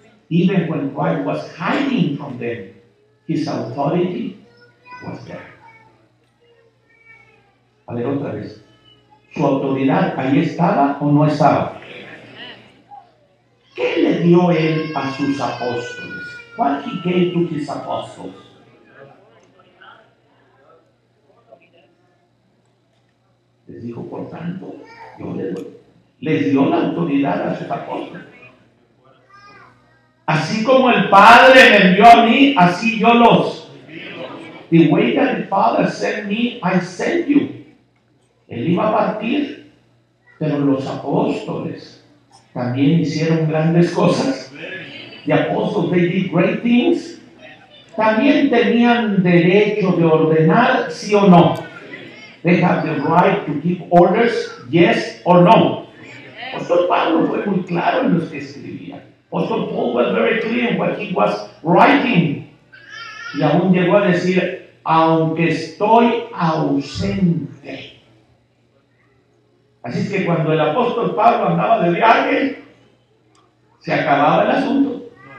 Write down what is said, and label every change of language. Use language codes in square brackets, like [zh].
[en] Even when Christ was hiding from them, his authority was there. [es] A ver otra vez. ¿Su autoridad ahí estaba o no estaba? ¿Qué le dio él a sus apóstoles? [en] What he gave to his apostles? [es] Les dijo, por tanto, yo les dio la autoridad a sus apóstoles. Así como el Padre me envió a mí, así yo los. [en] The way that the Father sent me, I sent you. [es] Él iba a partir, pero los apóstoles también hicieron grandes cosas. [en] The apostles, they did great things. [es] También tenían derecho de ordenar, sí o no. [en] They have the right to give orders, yes or no. [es] Apostle Pablo fue muy claro en lo que escribía. [en] Apostle Paul was very clear in what he was writing. [es] Y aún llegó a decir, aunque estoy ausente. Así es que cuando el apóstol Pablo andaba de viaje, se acababa el asunto.